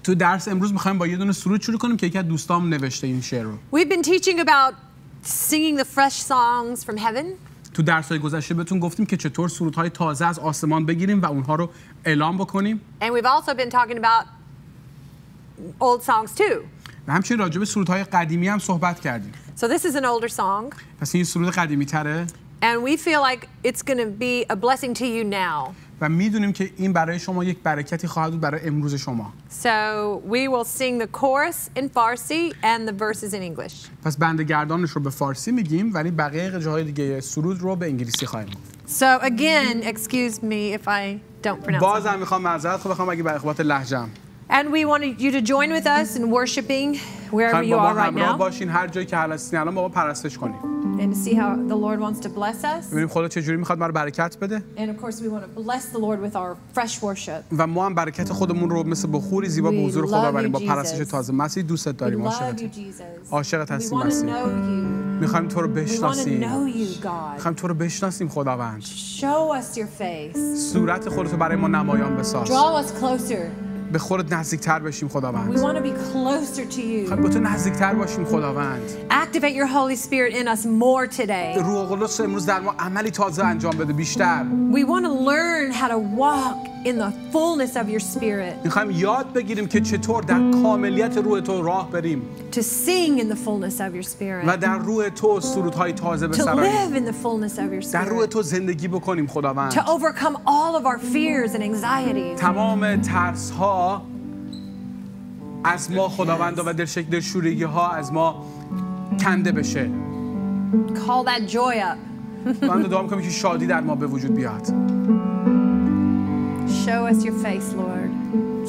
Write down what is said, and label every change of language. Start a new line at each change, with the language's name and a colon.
Persian: تو درس امروز میخوایم با یه دونه سرود شروع کنیم که یکی از دوستام نوشته این شعر رو.
English: We've been teaching about singing the fresh songs from heaven.
Persian: تو درس‌های گذشته بهتون گفتیم که چطور سرودهای تازه از آسمان بگیریم و اونها رو اعلام بکنیم.
English: And we've also been talking about old songs too.
Persian: و همچنین راجع به سرودهای قدیمی هم صحبت کردیم.
English: So this is an older song.
Persian: پس این سرود قدیمی‌تره.
English: And we feel like it's going to be a blessing to you now.
Persian: و می‌دونیم که این برای شما یک برکتی خواهد بود برای امروز شما.
English: So we will sing the chorus in Farsi and the verses in English.
Persian: پس بند گردانش رو به فارسی می‌گیم ولی بقیه جاهای دیگه سرود رو به انگلیسی خواهیم گفت.
English: So again, excuse me if I don't pronounce.
Persian: بازم می‌خوام معذرت بخوام اگه به اخبات لهجه‌ام.
English: And we want you to join with us in worshiping wherever you are right now.
Persian: باشین هر جایی که هستین الان با ما پرستش کنیم.
English: And see how the Lord wants to bless us.
Persian: ببینیم خدا چجوری میخواد ما رو برکت بده.
English: And of course we want to bless the Lord with our fresh worship.
Persian: و ما هم برکت خودمون رو مثل بخوری زیبا به حضور خدا بریم با پرستش تازه. مسیح دوستت داریم، عاشقت. عاشقت هستیم مسیح. میخوایم تو رو بشناسیم. میخوایم تو رو بشناسیم خداوند.
English: Show us your face.
Persian: صورت خودت رو برای ما نمایان بساز.
English: Draw us closer.
Persian: به خودت نزدیکتر بشیم خداوند.
English: We want to be closer to you.
Persian: خب تو نزدیکتر باشیم خداوند.
English: Activate your Holy Spirit in us more today.
Persian: روح القدس امروز در ما عملی تازه انجام بده بیشتر.
English: We want to learn how to walk in the fullness of your Spirit.
Persian: می‌خوایم یاد بگیریم که چطور در کاملیت روح تو راه بریم.
English: To sing in the fullness of your Spirit.
Persian: و در روح تو سرودهای تازه بسرایم.
English: To live in the fullness of your Spirit.
Persian: در روح تو زندگی بکنیم خداوند.
English: To overcome all of our fears and anxieties.
Persian: تمام ترس‌ها از ما خداوند و در شکل شوریگی ها از ما کنده بشه.
English: Call that joy up.
Persian: من دعا می‌کنم که شادی در ما به وجود بیاد.
English: Show us your face, Lord.